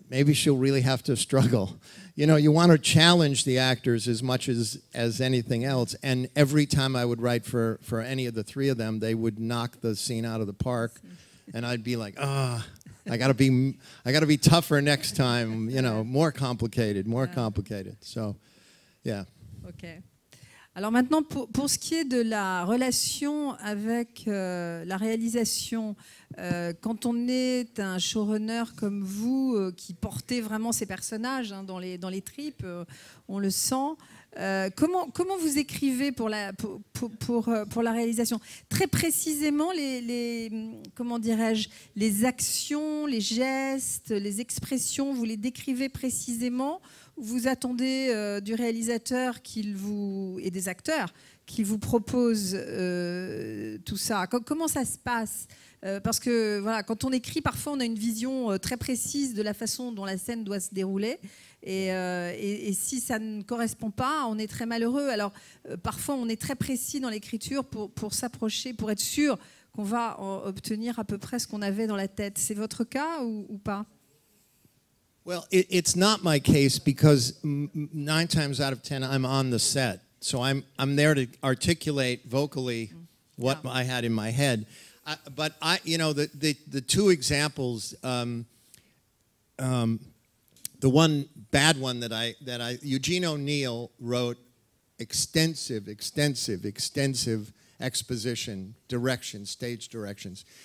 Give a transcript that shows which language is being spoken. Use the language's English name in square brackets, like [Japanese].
[English] Maybe she'll really have to struggle. You know, you want to challenge the actors as much as anything else. And every time I would write for any of the three of them, they would knock the scene out of the park. And I'd be like, I gotta be tougher next time. You know, more complicated. So, yeah. Okay. [French] Alors maintenant, pour ce qui est de la relation avec la réalisation, quand on est un showrunner comme vous, qui portez vraiment ces personnages dans les tripes, on le sent. Comment vous écrivez pour la réalisation? Très précisément, les actions, les gestes, les expressions, vous les décrivez précisément? Vous attendez du réalisateur et des acteurs qui vous proposent tout ça. Comment ça se passe? Parce que voilà, quand on écrit, parfois on a une vision très précise de la façon dont la scène doit se dérouler. Et si ça ne correspond pas, on est très malheureux. Alors parfois on est très précis dans l'écriture pour s'approcher, pour être sûr qu'on va obtenir à peu près ce qu'on avait dans la tête. C'est votre cas ou pas? [English] Well, it's not my case because 9 times out of 10, I'm on the set. So I'm there to articulate vocally what I had in my head. But the two examples, the one bad one that I, Eugene O'Neill wrote extensive exposition, direction, stage directions.